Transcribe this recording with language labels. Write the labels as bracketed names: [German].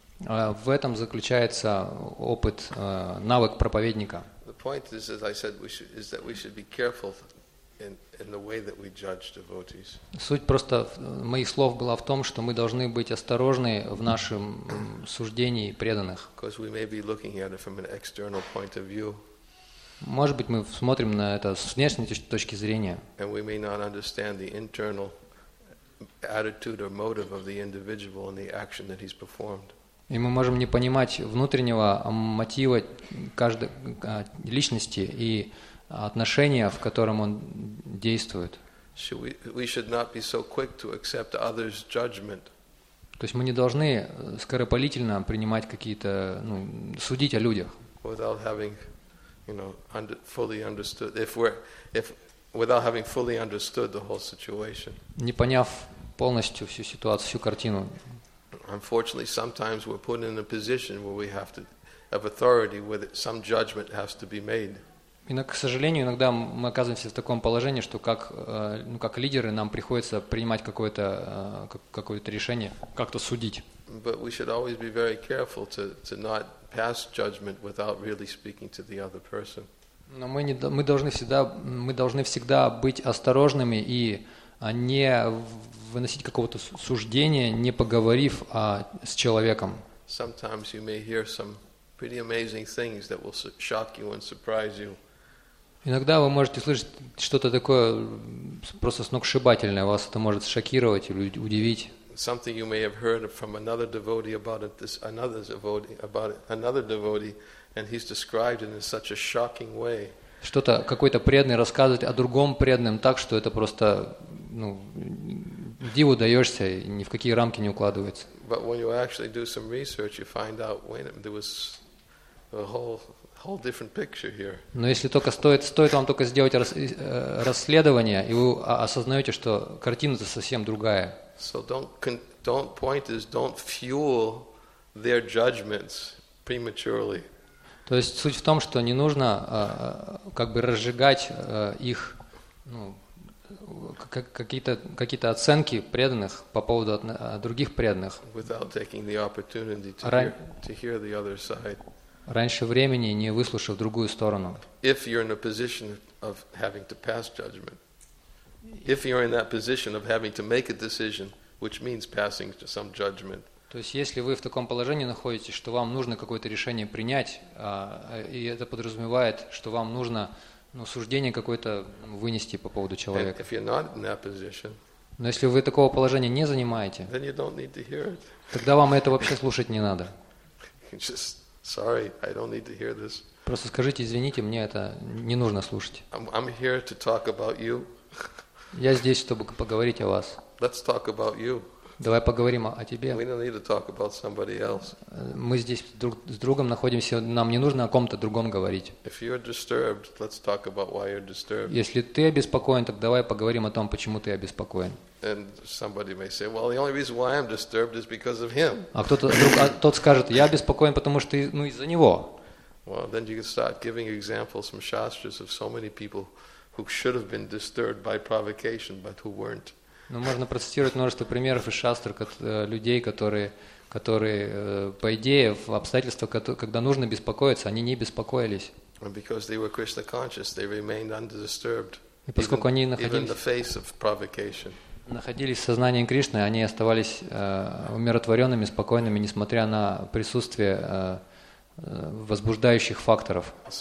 [Russian] В этом заключается опыт, навык проповедника. [English] The point is, as I said, we should be careful in the way that we judge devotees. [Russian] Суть просто моих слов была в том, что мы должны быть осторожны в нашем суждении преданных. [English] Because we may be looking at it from an external point of view. [Russian] Может быть, мы смотрим на это с внешней точки зрения. [English] And we may not understand the internal attitude or motive of the individual in the action that he's performed. [Russian] И мы можем не понимать внутреннего мотива каждой личности и отношения, в котором он действует. [English] We should not be so quick to accept others' judgment. [Russian] То есть мы не должны скоропалительно принимать какие-то, судить о людях. [English] Without having, fully understood without having fully understood the whole situation. [Russian] Не поняв полностью всю ситуацию, всю картину. [English] Unfortunately, sometimes we're put in a position where we have to have authority where some judgment has to be made. [Russian] Иногда, к сожалению, иногда мы оказываемся в таком положении, что как лидеры нам приходится принимать какое-то решение, как-то судить. [English] But we should always be very careful to not pass judgment without really speaking to the other person. [Russian] Но мы должны всегда быть осторожными и не выносить какого-то суждения, не поговорив с человеком. [English] Sometimes you may hear some pretty amazing things that will shock you and surprise you. [Russian] Иногда вы можете слышать что-то такое просто сногсшибательное, вас это может шокировать или удивить. [English] Something you may have heard from another devotee about another devotee, and he's described it in such a shocking way. [Russian] Что-то какой-то преданный рассказывает о другом преданном так, что это просто, диву даешься, ни в какие рамки не укладывается. [English] But when you actually do some research, you find out when there was a whole different picture here. [Russian] Но если только стоит вам только сделать расследование, и вы осознаете, что картина-то совсем другая. [English] So don't point is don't fuel their judgments prematurely. [Russian] То есть суть в том, что не нужно разжигать их, какие-то оценки преданных по поводу других преданных. [English] Without taking the opportunity to hear the other side. [Russian] Раньше времени, не выслушав другую сторону. [English] If you're in a position of having to pass judgment. If you're in that position of having to make a decision, which means passing some judgment. [Russian] То есть, если вы в таком положении находитесь, что вам нужно какое-то решение принять, и это подразумевает, что вам нужно, ну, суждение какое-то вынести по поводу человека. [English] If you're not in that position, [Russian] но если вы такого положения не занимаете, [English] then you don't need to hear it. [Russian] Тогда вам это вообще слушать не надо. [English] Just, sorry, I don't need to hear this. [Russian] Просто скажите, извините, мне это не нужно слушать. [English] I'm here to talk about you. [Russian] Я здесь, чтобы поговорить о вас. [English] Let's talk about you. [Russian] Давай поговорим о тебе. [English] We don't need to talk about somebody else. [Russian] Мы здесь друг с другом находимся, нам не нужно о ком-то другом говорить. [English] If you're disturbed, let's talk about why you're disturbed. [Russian] Если ты обеспокоен, так давай поговорим о том, почему ты обеспокоен. [English] And somebody may say, well, the only reason why I'm disturbed is because of him. [Russian] А кто-то вдруг, а тот скажет, я обеспокоен, потому что, ну, из-за него. [English] Well, then you can start giving examples from Shastras of so many people who should have been disturbed by provocation, but who weren't. [Russian] Ну, можно процитировать множество примеров из шастр, людей, которые, по идее, в обстоятельствах, когда нужно беспокоиться, они не беспокоились. И поскольку они находились в сознании Кришны, они оставались умиротворенными, спокойными, несмотря на присутствие возбуждающих факторов.